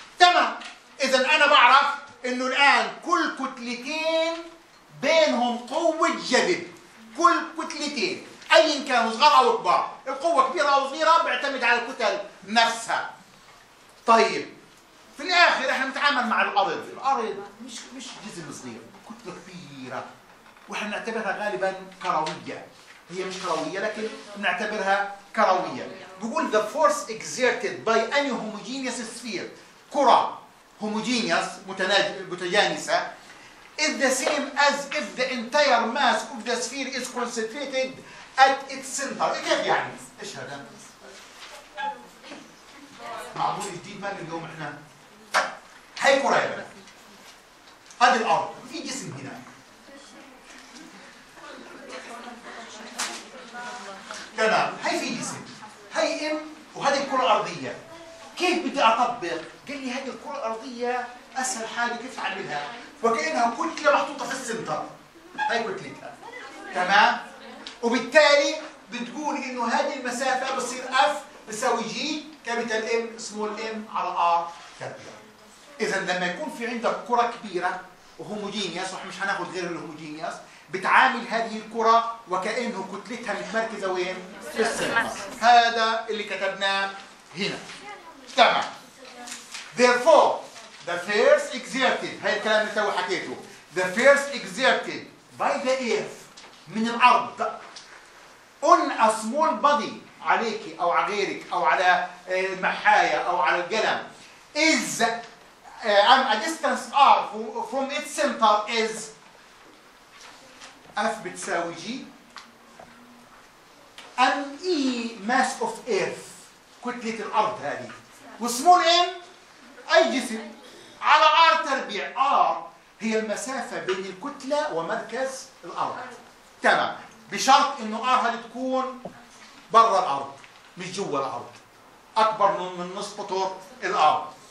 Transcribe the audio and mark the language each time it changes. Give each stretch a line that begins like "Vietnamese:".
Arabic: تمام، إذا أنا بعرف إنه الآن كل كتلتين بينهم قوة جذب، كل كتلتين أيا كان صغار أو كبار، القوة كبيرة أو صغيرة بيعتمد على الكتل نفسها. طيب في الآخر إحنا نتعامل مع الأرض، الأرض مش جسم صغير، كتلة كبيرة، وإحنا نعتبرها غالبا كروية، هي مش كروية لكن نعتبرها كروية.
English: بيقول the force exerted by any homogeneous sphere،
Arabic: كرة هوموجينيوس متجانسة،
English: is the same as if the entire mass of the sphere is concentrated at its center.
Arabic: كيف يعني؟ ايش هذا؟ معقول جديد مال اليوم احنا؟ هاي كرة يا بنات، هذه الأرض، في جسم هنا. تمام، هاي في جسم، هاي ام وهذه الكرة الأرضية. كيف بدي أطبق؟ قال لي هذه الكرة الأرضية أسهل حاجة كيف أعملها؟ وكأنها كتلة محطوطة في السنتر، هاي كتلتها، تمام؟ وبالتالي بتقول إنه هذه المسافة بصير اف بتساوي جي كابيتال ام سمول ام على ار كابيتال. إذا لما يكون في عندك كرة كبيرة وهوموجينيوس، واحنا مش هناخد غير الهوموجينيوس، بتعامل هذه الكرة وكأنه كتلتها متمركزة وين؟ في السنتر. هذا اللي كتبناه هنا. تمام.
English: Therefore, the force exerted،
Arabic: هاي الكلام اللي توي حكيته،
English: the force exerted by the earth،
Arabic: من الأرض،
English: on a small body،
Arabic: عليك أو على غيرك أو على المحاية أو على القلم،
English: is at a distance r from its center is f
Arabic: بتساوي
English: g and e mass of earth،
Arabic: كتلة الأرض هذه. وسمول ام اي جسم على ار تربيع، ار هي المسافه بين الكتله ومركز الارض. تمام، بشرط انه ار هذه تكون برا الارض مش جوا الارض، اكبر من نصف قطر الارض.